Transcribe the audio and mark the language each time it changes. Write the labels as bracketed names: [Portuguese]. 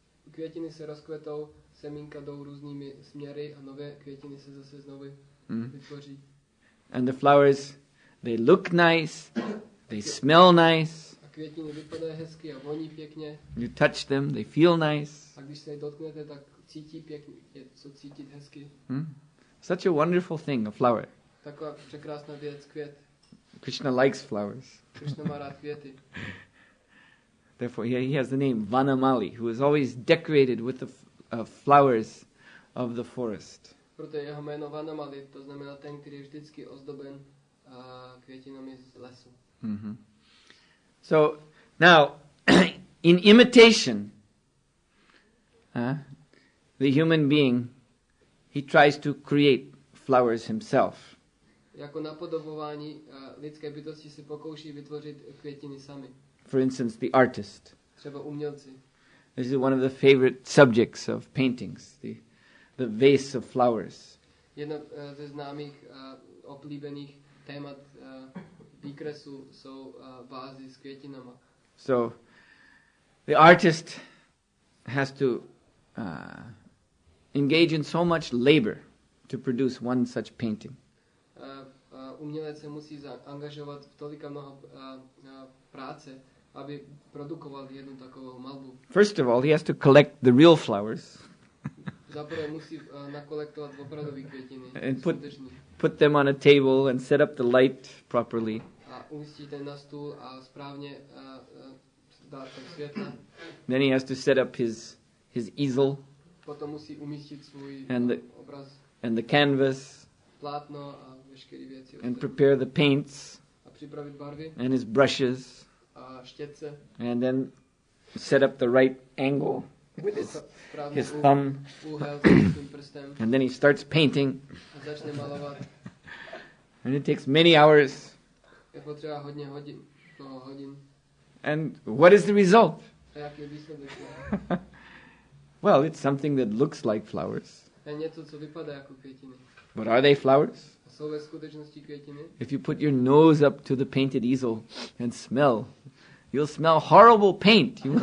[Czech] Květiny se rozkvetou, semínka jdou různými směry a nové květiny se zase znovu vytvoří. [English] And the flowers, they look nice, they smell nice. [Czech] A květiny vypadají hezky a voní pěkně. [English] You touch them, they feel nice. [Czech] A když se je dotknete, tak cítí pěkně, je co cítit hezky. [English] Such a wonderful thing, a flower. [Czech] Taková překrásná věc, květ. [English] Krishna likes flowers. [Czech] Krishna má rád květy. [English] Therefore, he has the name Vanamali, who is always decorated with the flowers of the forest. [Czech] Proto jeho jméno Vanamali, to znamená ten, který je vždycky ozdoben květinami z lesu. [English] So, now, in imitation, the human being, he tries to create flowers himself. [Czech] Jako napodobování lidské bytosti se pokouší vytvořit květiny sami. [English] For instance, the artist. [Czech] Třeba umělci. [English] This is one of the favorite subjects of paintings, the vase of flowers. [Czech] Jedno ze známých oblíbených témat výkresu jsou vázy s květinama. [English] So the artist has to engage in so much labor to produce one such painting. [Czech] Umělec se musí angažovat v tolika mnoho práce, aby produkoval jednu takovou malbu. [English] First of all, he has to collect the real flowers. [Czech] Zaprvé musí nakolektovat opravdové květiny. [English] And put them on a table and set up the light properly. [Czech] A umístit je na stůl a správně dát tam světla. [English] Then he has to set up his easel. [Czech] Potom musí umístit svůj obraz. [English] And the canvas. [Czech] Plátno a všechny věci. [English] And prepare the paints. [Czech] A připravit barvy. [English] And his brushes. [Czech] A štětce. [English] And then set up the right angle with his thumb. [Czech] Úhel s tím prstem. [English] And then he starts painting. [Czech] A začne malovat. [English] And it takes many hours. [Czech] Je potřeba hodně hodin, toho hodin. [English] And what is the result? [Czech] A jaký je výsledek? [English] Well, it's something that looks like flowers. [Czech] Je něco, co vypadá jako květiny. [English] But are they flowers? [Czech] Jsou ve skutečnosti květiny? [English] If you put your nose up to the painted easel and smell, you'll smell horrible paint.